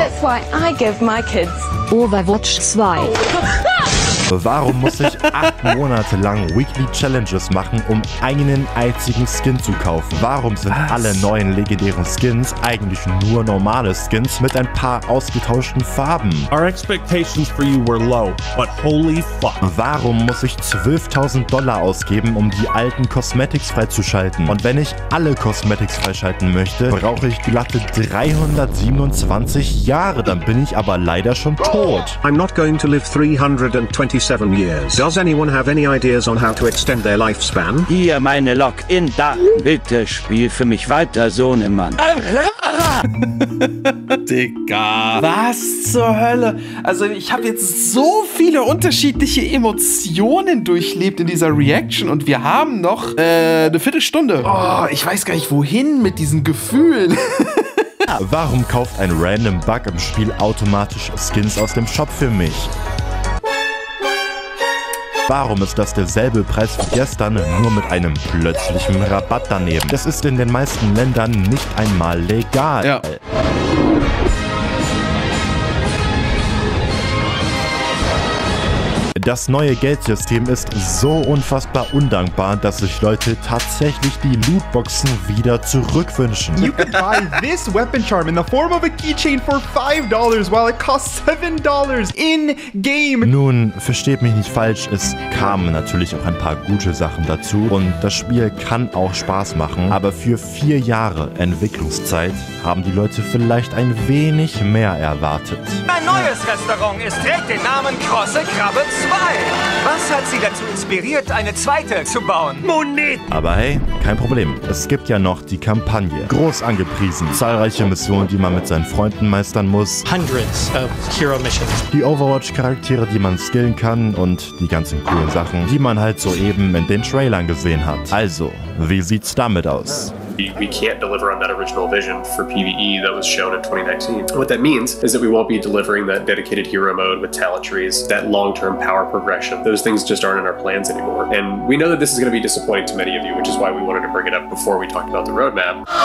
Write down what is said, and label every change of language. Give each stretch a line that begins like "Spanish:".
English: That's why I give my kids Overwatch 2.
German: Warum muss ich 8 Monate lang Weekly Challenges machen, um einen einzigen Skin zu kaufen? Warum sind alle neuen legendären Skins eigentlich nur normale Skins mit ein paar ausgetauschten Farben?
English: Our expectations for you were low, but holy fuck.
German: Warum muss ich $12,000 ausgeben, um die alten Cosmetics freizuschalten? Und wenn ich alle Cosmetics freischalten möchte, brauche ich glatte 327 Jahre. Dann bin ich aber leider schon tot.
English: I'm not going to live 327. 27 years. Does anyone have any ideas on how to extend their lifespan?
German: Hier meine Login-Daten. Bitte spiel für mich weiter, Sohnemann. Digga. Was zur Hölle? Also ich habe jetzt so viele unterschiedliche Emotionen durchlebt in dieser Reaction und wir haben noch eine Viertelstunde. Oh, ich weiß gar nicht wohin mit diesen Gefühlen. Warum kauft ein random Bug im Spiel automatisch Skins aus dem Shop für mich? Warum ist das derselbe Preis wie gestern, nur mit einem plötzlichen Rabatt daneben? Das ist in den meisten Ländern nicht einmal legal. Ja. In Das neue Geldsystem ist so unfassbar undankbar, dass sich Leute tatsächlich die Lootboxen wieder zurückwünschen.
English: You can buy this weapon charm in the form of a keychain for $5, while it costs $7 in game.
German: Nun, versteht mich nicht falsch, es kamen natürlich auch ein paar gute Sachen dazu und das Spiel kann auch Spaß machen, aber für 4 Jahre Entwicklungszeit haben die Leute vielleicht ein wenig mehr erwartet. Mein neues Restaurant trägt den Namen Krosse Krabbe 2. Was hat sie dazu inspiriert, eine zweite zu bauen? Moneten! Aber hey, kein Problem. Es gibt ja noch die Kampagne. Groß angepriesen. Zahlreiche Missionen, die man mit seinen Freunden meistern muss.
English: Hundreds of Hero Missions.
German: Die Overwatch-Charaktere, die man skillen kann und die ganzen coolen Sachen, die man halt soeben in den Trailern gesehen hat. Also, wie sieht's damit aus?
English: We can't deliver on that original vision for PvE that was shown in 2019. What that means is that we won't be delivering that dedicated hero mode with talent trees, that long-term power progression. Those things just aren't in our plans anymore. And we know that this is going to be disappointing to many of you, which is why we wanted to bring it up before we talked about the roadmap.